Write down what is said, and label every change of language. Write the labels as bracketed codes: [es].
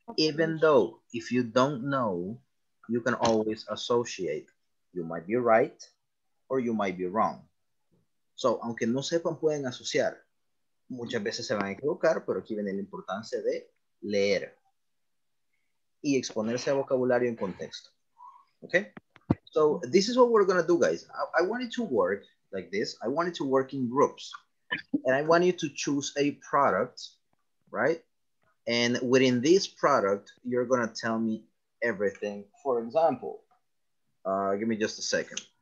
[en] Even though if you don't know, you can always associate. You might be right or you might be wrong. [es] So, aunque no sepan, pueden asociar. Muchas veces se van a equivocar, pero aquí viene la importancia de leer y exponerse a vocabulario en contexto. [en] Okay? So, this is what we're going to do, guys. I want you to work like this. I want you to work in groups. And I want you to choose a product, right? And within this product, you're going to tell me everything. For example, give me just a second.